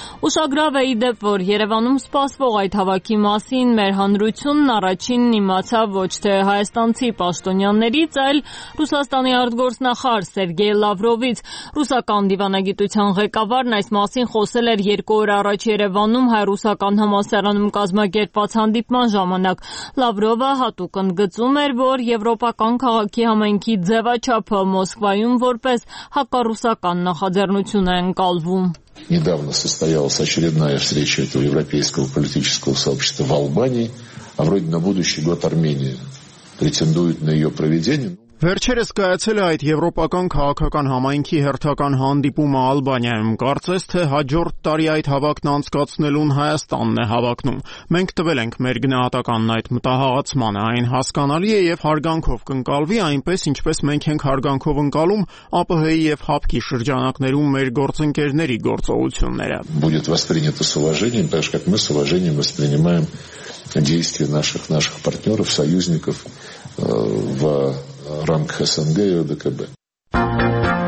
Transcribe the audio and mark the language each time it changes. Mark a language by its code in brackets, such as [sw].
[hy] Ուշագրավ է, ի դեպ, որ Երևանում սպասվող այդ հավաքի մասին մեր հանրությունն առաջինն իմացավ ոչ թե հայաստանցի պաշտոնյաններից, այլ Ռուսաստանի արտգործնախարար Սերգեյ Լավրովից։ Ռուսական դիվանագիտության ղեկավարն այս մասին խոսել էր 2 օր առաջ Երևանում հայ-ռուսական համասարանում կազմակերպված հանդիպման ժամանակ։ Լավրովը հատուկ ընդգծում էր, որ Եվրոպական քաղաքի համայնքի ձևաչափը Մոսկվայում որպես հակառուսական նախաձեռնություն է ընկալվում։ [ru] Недавно состоялась очередная встреча этого европейского политического сообщества в Албании, а вроде на будущий год Армения претендует на её проведение. [hy] Վերջերս կայացել է այդ եվրոպական քաղաքական համայնքի հերթական հանդիպումը Ալբանիայում։ Կարծես թե հաջորդ տարի այդ հավաքն անցկացնելուն Հայաստանն է հավակնում։ Մենք տվել ենք մեր գնահատականն այդ մտահղացմանը, այն հասկանալի է եւ հարգանքով կընկալվի, այնպես ինչպես մենք ենք հարգանքով ընկալում ԱՊՀ-ի եւ ՀԱՊԿ-ի շրջանակներում մեր գործընկերների գործողությունները։ [ru] Будет воспринято с уважением, так же как мы с уважением воспринимаем действия наших партнёров, союзников в рамках СНГ и ОДКБ.